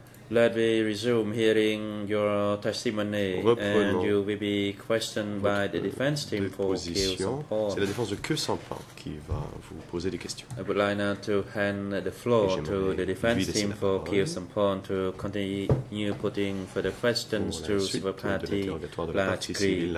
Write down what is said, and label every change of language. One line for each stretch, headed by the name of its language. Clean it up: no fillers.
English: Let me resume hearing your testimony, and you will be questioned by the defense team for Kieu-Saint-Paul.
French: C'est la défense de Kieu-Saint-Paul qui va vous poser des questions.
English: I would like now to hand the floor to the defense team for Kieu-Saint-Paul to continue putting further questions to civil party Lach Kry.